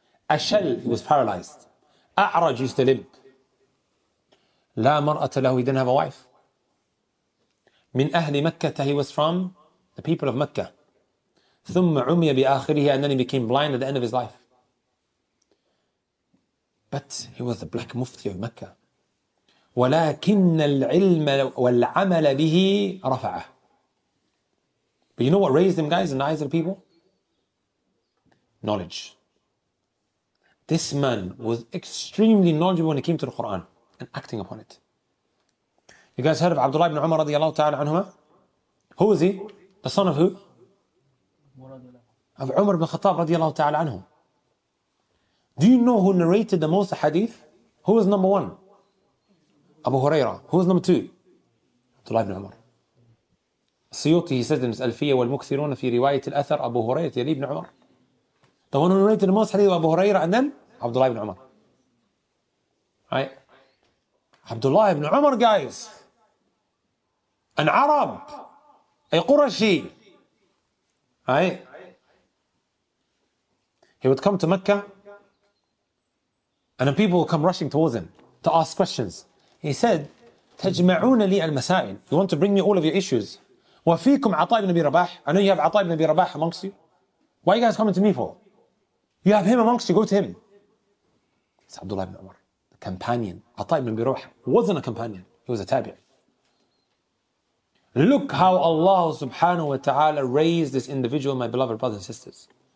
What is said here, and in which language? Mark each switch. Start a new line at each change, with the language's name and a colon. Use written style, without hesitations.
English: Ashal, he was paralyzed. A'raj, used to limp.
Arabic: La mar'ata lahu,
English: he didn't have a wife.
Arabic: Min ahli Makkah,
English: he was from the people of Mecca.
Arabic: Thumma umiya bi akhirihi,
English: and then he became blind at the end of his life. But he was the black mufti of Mecca.
Arabic: ولكن العلم والعمل به رفعه.
English: But you know what raised him, guys, in the eyes of the people? Knowledge. This man was extremely knowledgeable when it came to the Quran and acting upon it. You guys heard of Abdullah ibn Umar radiallahu ta'ala anhuma? Who is he? The son of who? Of Umar ibn Khattab radiallahu ta'ala anhum. Do you know who narrated the most hadith? Who was number one? Abu Huraira. Who is number two? Abdullah ibn Umar. Siyuti, he says in his Alfiyah
Arabic: wal-Mukthirun fi riwayat al-Athar, Abu Huraira, Yali ibn Umar.
English: The one who narrated the most hadith of Abu Huraira, and then Abdullah ibn Umar. Right? Abdullah ibn Umar, guys. An Arab. A Qurashi. Right? He would come to Mecca, and the people would come rushing towards him to ask questions. He said,
Arabic: تَجْمَعُونَ لِي الْمَسَائِلِ.
English: You want to bring me all of your issues.
Arabic: وَفِيكُمْ عَطَى بْنَ بِرَبَاحِ.
English: I know you have
Arabic: عَطَى بْنَ بِرَبَاحِ
English: amongst you. Why are you guys coming to me for? You have him amongst you, go to him. It's Abdullah ibn Umar, the companion. عَطَى بْنَ بِرَبَاحِ wasn't a companion. He was a tabi'. Look how Allah subhanahu wa ta'ala raised this individual, my beloved brothers and sisters.